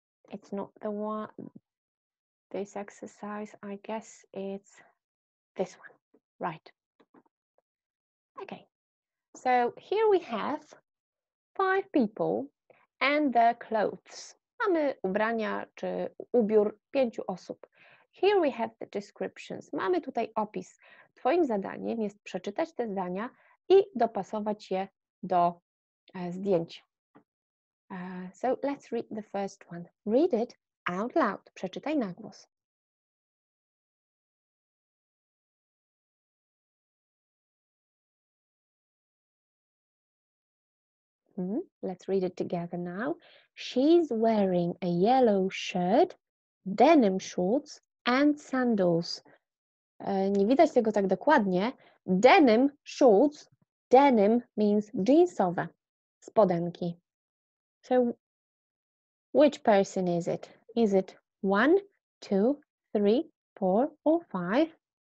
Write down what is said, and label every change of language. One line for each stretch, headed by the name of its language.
English: It's not the one, this exercise, I guess it's this one, right. Okay, so here we have five people and their clothes.
Polish: Mamy ubrania czy ubiór pięciu osób.
English: Here we have the descriptions.
Polish: Mamy tutaj opis. Twoim zadaniem jest przeczytać te zdania i dopasować je do zdjęć.
English: So let's read the first one. Read it out loud.
Polish: Przeczytaj na głos.
English: Let's read it together now. She's wearing a yellow shirt, denim shorts, and sandals.
Polish: Nie widać tego tak dokładnie.
English: Denim shorts. Denim means jeansowe. Spodenki. So, which person is it? Is it one, two, three, four, or five?